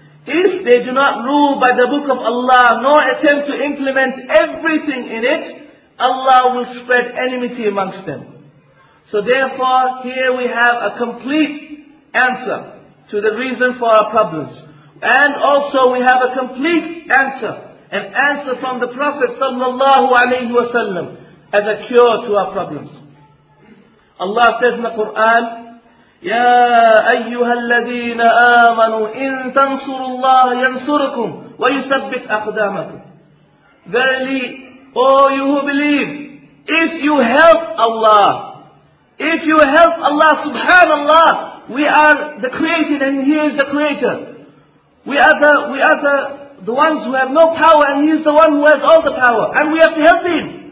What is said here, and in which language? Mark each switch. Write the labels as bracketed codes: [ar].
[en] If they do not rule by the book of Allah, nor attempt to implement everything in it, Allah will spread enmity amongst them. So therefore, here we have a complete answer to the reason for our problems. And also we have a complete answer, an answer from the Prophet sallallahu alayhi wa sallam, as a cure to our problems. [ar] Allah says in the Qur'an, يَا أَيُّهَا الَّذِينَ آمَنُوا إِن تَنْصُرُ اللَّهَ يَنْصُرُكُمْ وَيُثَبِّتْ أَقْدَامَكُمْ. [en] Verily, O you who believe, if you help Allah, if you help Allah, subhanallah, we are the created and He is the creator. We are the ones who have no power, and He is the one who has all the power, and we have to help Him.